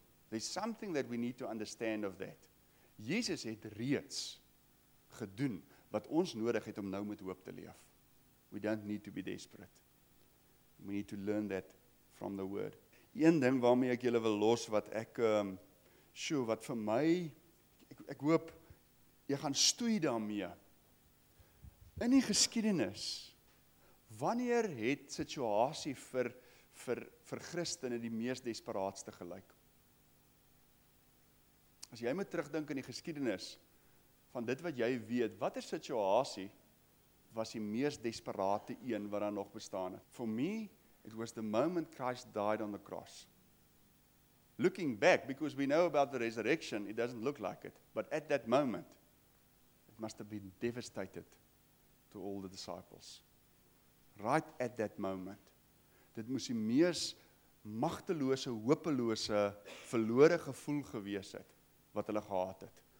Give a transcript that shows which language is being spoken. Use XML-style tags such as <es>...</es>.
<en>There's something that we need to understand of that.</en> <af>Jesus het reeds gedoen wat ons nodig het om nou met hoop te leef.</af> <en>We don't need to be desperate. We need to learn that from the word.</en> <af>Een ding waarmee ek julle wil los, wat ek, wat vir my, ek hoop, jy gaan stoei daarmee. In die geskiedenis, wanneer het situasie vir Christene die mees desperaatste gelyk? As jy moet terugdink in die geskiedenis van dit wat jy weet, watter situasie was die mees desperate een wat daar nog bestaan het?</af> <en>For me, it was the moment Christ died on the cross. Looking back, because we know about the resurrection, it doesn't look like it. But at that moment, it must have been devastated to all the disciples. Right at that moment.</en> <af>Dit moes die mees magtelose, hopelose, verlore gevoel gewees het, wat hulle gehad het.</af>